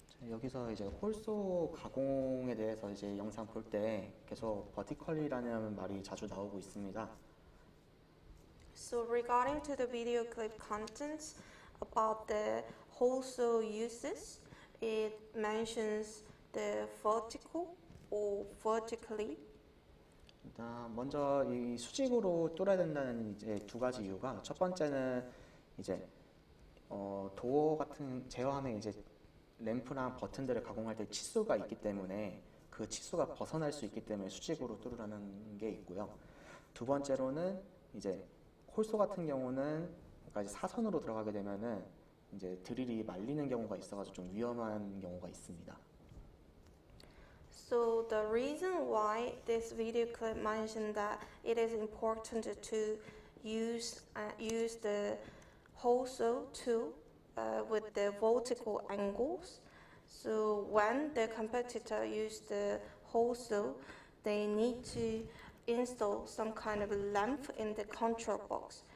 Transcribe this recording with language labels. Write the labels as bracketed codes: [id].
[ko] 여기서 이제 홀소 가공에 대해서 이제 영상 볼 때 계속 vertically라는 말이 자주 나오고 있습니다. [en] So regarding to the video clip contents about the hole saw uses, it mentions the vertical or vertically. [ko] 먼저 이 수직으로 뚫어야 된다는 이제 두 가지 이유가 첫 번째는 이제 도어 같은 제어하는 이제 램프랑 버튼들을 가공할 때 치수가 있기 때문에 그 치수가 벗어날 수 있기 때문에 수직으로 뚫으라는 게 있고요. 두 번째로는 이제 홀소 같은 경우는 여기까지 사선으로 들어가게 되면은 이제 드릴이 말리는 경우가 있어가지고 좀 위험한 경우가 있습니다. [en] So the reason why this video clip mentioned that it is important to use the hole saw tool with the vertical angles. So when the competitor use the hole saw, they need to install some kind of lamp in the control box.